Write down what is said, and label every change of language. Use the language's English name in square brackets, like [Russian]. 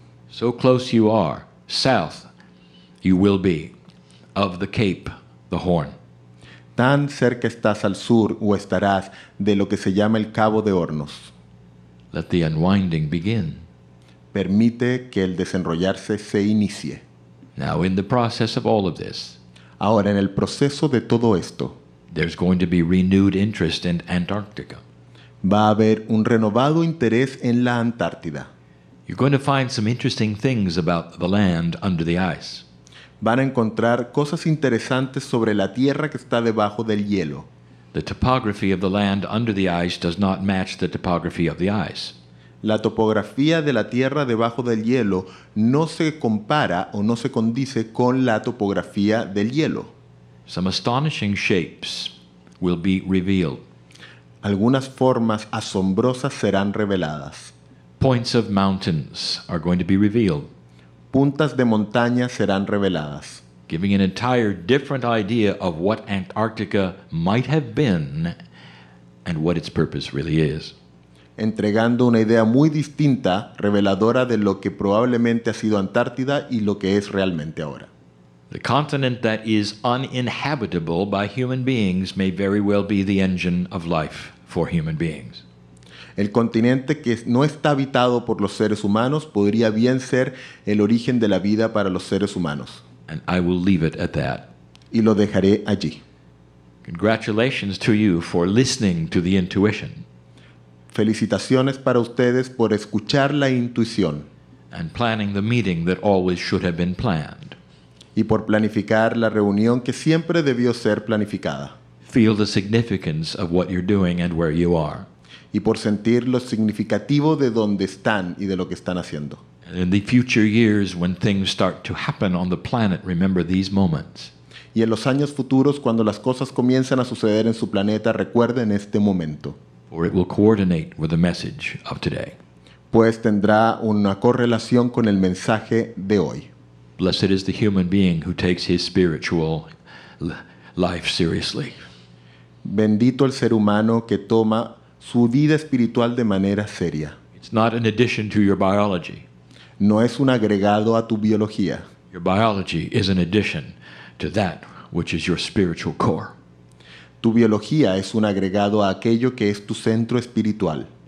[English] So close you are, south you will be, of the Cape, the Horn. [Spanish] Tan cerca estás al sur o estarás de lo que se llama el Cabo de Hornos. [English] Let the unwinding begin. [Spanish] Permite que el desenrollarse se inicie. [English] Now in the process of all of this. [Spanish] Ahora en el proceso de todo esto. [English] There's going to be renewed interest in Antarctica. [Spanish] Va a haber un renovado interés en la Antártida. [English] You're going to find some interesting things about the land under the ice. [Spanish] Van a encontrar cosas interesantes sobre la tierra que está debajo del hielo. [English] The topography of the land under the ice does not match the topography of the ice. [Spanish] La topografía de la tierra debajo del hielo no se compara o no se condice con la topografía del hielo. [English] Some astonishing shapes will be revealed. [Spanish] Algunas formas asombrosas serán reveladas. [English] Points of mountains are going to be revealed. [Spanish] Puntas de montaña serán reveladas. [English] Giving an entire different idea of what Antarctica might have been and what its purpose really is. [Spanish] Entregando una idea muy distinta, reveladora de lo que probablemente ha sido Antártida y lo que es realmente ahora. [English] The continent that is uninhabitable by human beings may very well be the engine of life for human beings. [Spanish] El continente que no está habitado por los seres humanos podría bien ser el origen de la vida para los seres humanos. [English] And I will leave it at that. [Spanish] Y lo dejaré allí. [English] Congratulations to you for listening to the intuition. [Spanish] Felicitaciones para ustedes por escuchar la intuición. [English] And planning the meeting that always should have been planned. [Spanish] Y por planificar la reunión que siempre debió ser planificada. [English] Feel the significance of what you're doing and where you are. [Spanish] Y por sentir lo significativo de donde están y de lo que están haciendo. [English] And in the future years when things start to happen on the planet, remember these moments. [Spanish] Y en los años futuros, cuando las cosas comienzan a suceder en su planeta, recuerden este momento. [English] For it will coordinate with the message of today. [Spanish] Pues tendrá una correlación con el mensaje de hoy. [English] Blessed is the human being who takes his spiritual life seriously. [Spanish] Bendito el ser humano que toma su vida espiritual de manera seria. [English] It's not an addition to your biology. [Spanish] No es un agregado a tu biología. [English] Your biology is an addition to that which is your spiritual core. [Spanish] Tu biología es un agregado a aquello que es tu centro espiritual.